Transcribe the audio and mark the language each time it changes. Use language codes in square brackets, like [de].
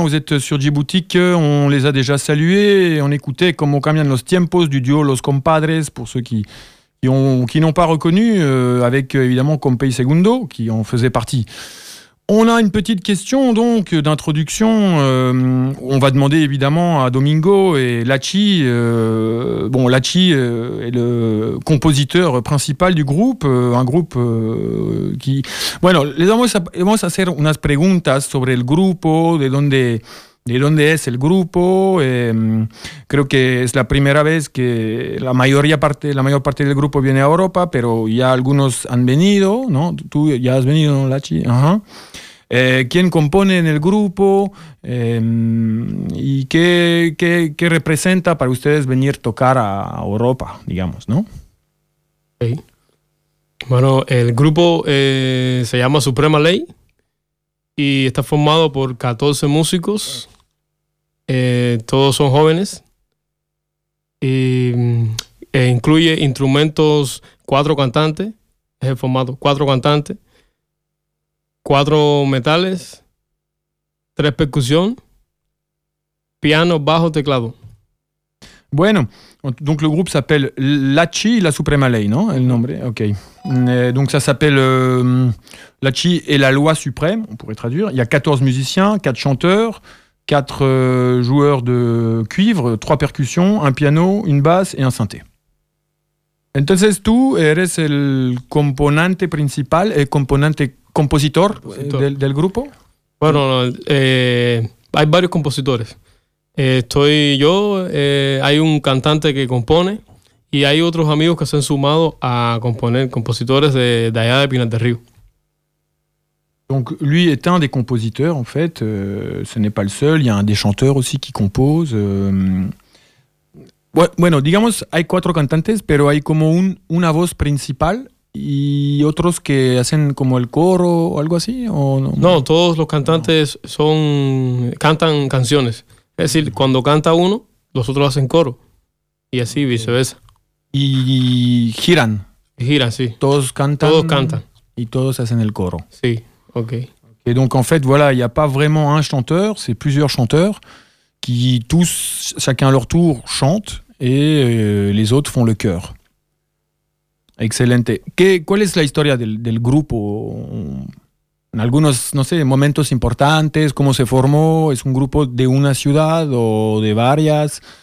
[fr] Vous êtes sur Djiboutique, on les a déjà salués. Et on écoutait Como Cambian los Tiempos du duo Los Compadres, pour ceux qui n'ont pas reconnu, avec évidemment Compay Segundo, qui en faisait partie. On a une petite question donc d'introduction. On va demander évidemment à Domingo et Lachi. Bon, Lachi est le compositeur principal du groupe, un groupe qui. [es] Bueno, les vamos a hacer unas preguntas sobre el grupo, de dónde es el grupo. Creo que es la primera vez que la mayor parte del grupo viene a Europa, pero ya algunos han venido, ¿no? Tú ya has venido, ¿no, Lachi? Ajá. ¿Quién compone en el grupo? ¿Y qué representa para ustedes venir a tocar a Europa, digamos, ¿no? [en] Okay. [es] Bueno, el grupo se llama Suprema Ley y está formado por 14 músicos. Todos son jóvenes. E incluye instrumentos, cuatro cantantes. Es el formato, cuatro cantantes. Cuatro metales, tres percusión, piano, bajo, teclado. [fr] Bueno, donc le groupe s'appelle Lachi y la Suprema Ley, [es] ¿no? El nombre, [fr] ok. Donc ça s'appelle Lachi et la Loi Suprême, on pourrait traduire. Il y a 14 musiciens, 4 chanteurs, 4 joueurs de cuivre, 3 percussions, un piano, une basse et un synthé. [es] Entonces tú eres el componente principal, el componente compositor del grupo. Bueno, hay varios compositores. Estoy yo, hay un cantante que compone y hay otros amigos que se han sumado a componer, compositores de allá de Pinar del Río. Donc lui est un des compositeurs en fait, ce n'est pas le seul, il y a un des chanteurs aussi qui compose. Bueno, digamos, hay cuatro cantantes, pero hay como una voz principal y otros que hacen como el coro o algo así, ¿o no? No, todos los cantantes cantan canciones. Es decir, cuando canta uno, los otros hacen coro. Y así, viceversa. ¿Y giran? Giran, sí. ¿Todos cantan? Todos cantan. Y todos hacen el coro. Sí, ok. Et [fr] donc, en fait, voilà, il n'y a pas vraiment un chanteur, c'est plusieurs chanteurs. Qui tous, chacun à leur tour, chantent et les autres font le chœur. [es] Excelente. ¿Cuál es la historia del grupo? En algunos, no sé, momentos importantes, ¿cómo se formó? ¿Es un grupo de una ciudad o de varias?